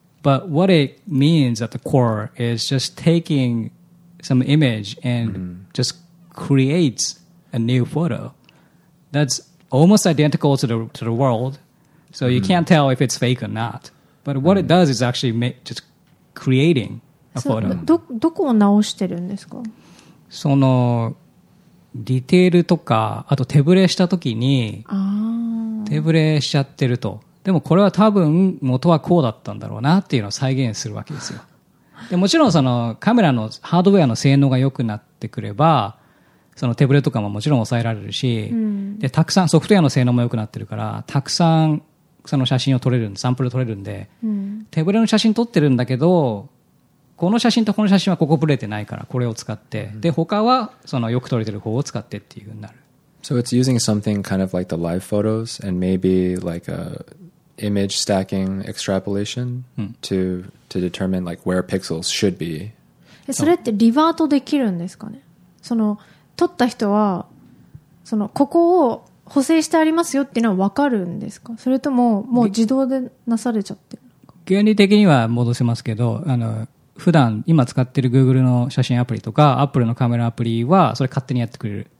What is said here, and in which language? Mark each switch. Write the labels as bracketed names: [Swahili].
[English] But what it means at the core is just taking some image and mm-hmm. just creates a new photo that's almost identical to the world. So you mm-hmm. can't tell if it's fake or not. But what mm-hmm. it does is actually just creating a photo. [Japanese] どこを直してるんですか？そのディテールとかあと手ぶれした時に手ぶれしちゃってると。でもこれは多分元はこうだったんだろうなっていうのを再現するわけですよ。でもちろんそのカメラのハードウェアの性能が良くなってくればその手ぶれとかももちろん抑えられるし、うん、でたくさんソフトウェアの性能も良くなってるからたくさんその写真を撮れるサンプル撮れるんで、うん、手ぶれの写真撮ってるんだけどこの写真とこの写真はここぶれてないからこれを使って、うん、で他はそのよく撮れてる方を使ってっていう風になる。 [English] So it's using something kind of like the live photos and maybe like a image stacking extrapolation、うん、 to determine like where pixels should be。 [Japanese] それってリバートできるんですかね。その撮った人はそのここを補正してありますよっていうのは分かるんですか？それとももう自動でなされちゃってる？原理的には戻せますけど、あの普段今使ってる Google の写真アプリとか Apple のカメラアプリはそれ勝手にやってくれる。